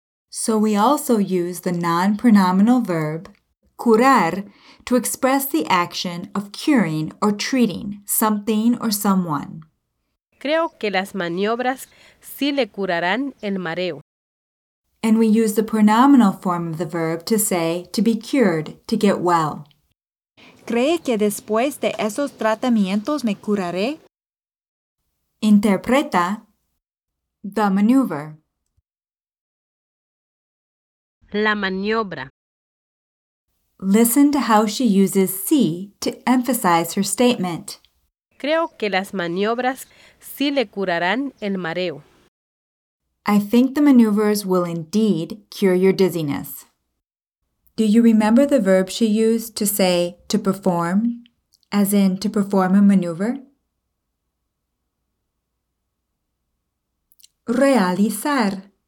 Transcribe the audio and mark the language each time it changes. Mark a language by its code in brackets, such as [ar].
[en] So we also use the non-pronominal verb curar to express the action of curing or treating something or someone. [es] Creo que las maniobras sí le curarán el mareo. [en] And we use the pronominal form of the verb to say to be cured, to get well. [es] ¿Cree que después de esos tratamientos me curaré? Interpreta [en] the maneuver. [es] La maniobra. [en] Listen to how she uses sí to emphasize her statement. [es] Creo que las maniobras sí le curarán el mareo. [en] I think the maneuvers will indeed cure your dizziness. Do you remember the verb she used to say to perform, as in to perform a maneuver? [es] Realizar.